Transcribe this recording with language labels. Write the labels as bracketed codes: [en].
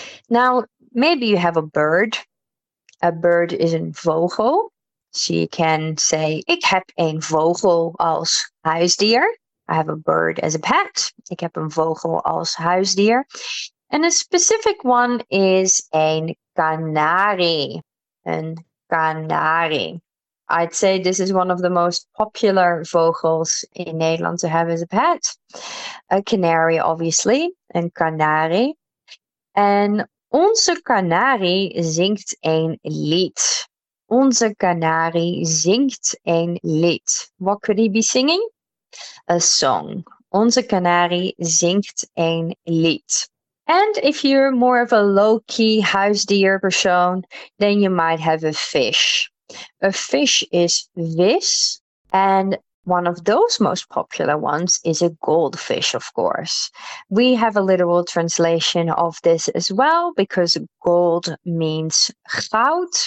[en] Now, maybe you have a bird. A bird is een vogel. So you can say, [nl] ik heb een vogel als huisdier. [en] I have a bird as a pet. [nl] Ik heb een vogel als huisdier. [en] And a specific one is een kanarie. [nl] Een kanarie. [en] I'd say this is one of the most popular vogels in Nederland to have as a pet. A canary, obviously. Een kanarie. [nl] En onze kanarie zingt een lied. Onze kanarie zingt een lied. [en] What could he be singing? A song. [nl] Onze kanarie zingt een lied. [en] And if you're more of a low-key huisdier persoon, then you might have a fish. A fish is vis. And one of those most popular ones is a goldfish, of course. We have a literal translation of this as well, because gold means goud.